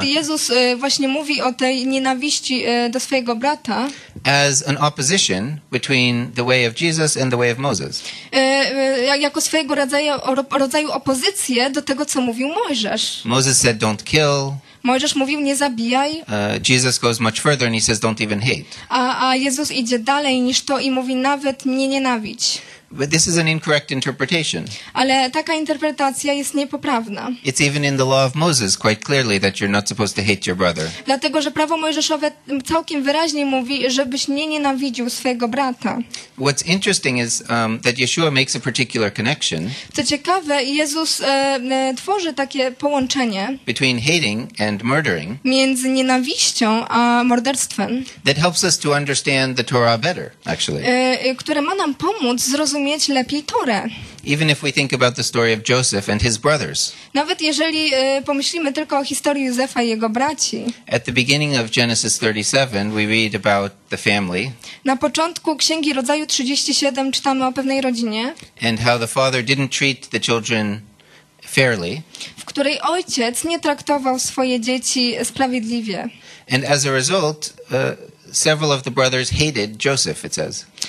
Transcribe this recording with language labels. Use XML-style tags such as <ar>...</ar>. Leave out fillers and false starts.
<pl>kiedy Jezus właśnie mówi o tej nienawiści do swojego brata.</pl> <en>As an opposition between the way of Jesus and the way of Moses.</en> <pl>Jako swojego rodzaju opozycję do tego, co mówił Mojżesz.</pl> <en>Moses said, "Don't kill."</en> <pl>Mojżesz mówił, nie zabijaj.</pl> <en>Jesus goes much further and he says, "Don't even hate."</en> <pl>A Jezus idzie dalej niż to i mówi, nawet nie nienawidź.</pl> <en>But this is an incorrect interpretation.</en> <pl>Ale taka interpretacja jest niepoprawna.</pl> <en>It's even in the law of Moses quite clearly that you're not supposed to hate your brother.</en> <pl>Dlatego, że prawo Mojżeszowe całkiem wyraźnie mówi, żebyś nie nienawidził swojego brata.</pl> <en>What's interesting is that Yeshua makes a particular connection.</en> <pl>Co ciekawe, Jezus tworzy takie połączenie</pl> <en>between hating and murdering.</en> <pl>Między nienawiścią a morderstwem.</pl> <en>That helps us to understand the Torah better, actually.</en> <pl>Które ma nam pomóc zrozumieć lepiej Torę.</pl> <en>Even if we think about the story of Joseph and his brothers.</en> <pl>Nawet jeżeli pomyślimy tylko o historii Józefa i jego braci.</pl> <en>At the beginning of Genesis 37 we read about the family.</en> <pl>Na początku Księgi Rodzaju 37 czytamy o pewnej rodzinie.</pl> <en>And how the father didn't treat the children fairly.</en> <pl>W której ojciec nie traktował swoje dzieci sprawiedliwie.</pl> <en>And as a result, several of the brothers hated Joseph, it says.</en>